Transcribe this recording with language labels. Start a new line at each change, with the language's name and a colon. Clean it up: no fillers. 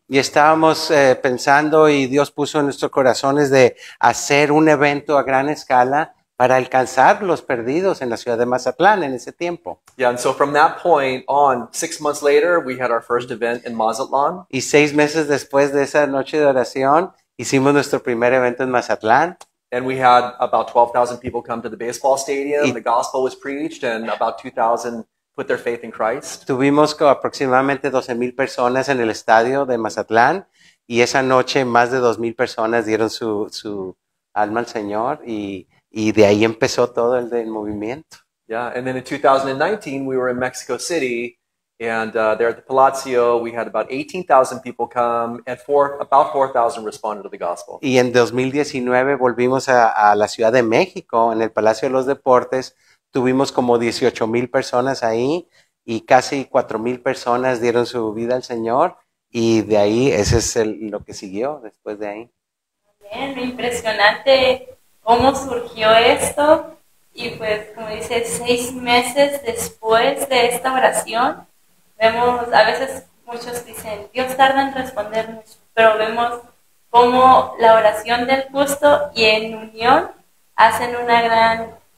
Spanish: Y estábamos pensando, y Dios puso en nuestros corazones de hacer un evento a gran escala para alcanzar los perdidos en la ciudad de Mazatlán en ese tiempo.
English: Yeah, and so from that point on, 6 months later, we had our first event in Mazatlán.
Spanish: Y 6 meses después de esa noche de oración, hicimos nuestro primer evento en Mazatlán.
English: And we had about 12,000 people come to the baseball stadium. The gospel was preached, and about 2,000 put their faith in Christ.
Spanish: Tuvimos aproximadamente 12,000 personas en el estadio de Mazatlán, y esa noche más de 2,000 personas dieron su alma al Señor, y de ahí empezó todo el movimiento.
English: Yeah, and then in 2019 we were in Mexico City, and there at the Palacio we had about 18,000 people come, and about 4,000 responded to the gospel.
Spanish: Y en 2019 volvimos a la Ciudad de México en el Palacio de los Deportes. Tuvimos como 18,000 personas ahí, y casi 4,000 personas dieron su vida al Señor, y de ahí, ese es lo que siguió después de ahí. Bien, impresionante cómo surgió esto, y pues, como dice, 6 meses después de esta oración, vemos, a veces muchos dicen, Dios tarda en responder mucho, pero vemos cómo la oración del justo y en unión hacen una gran...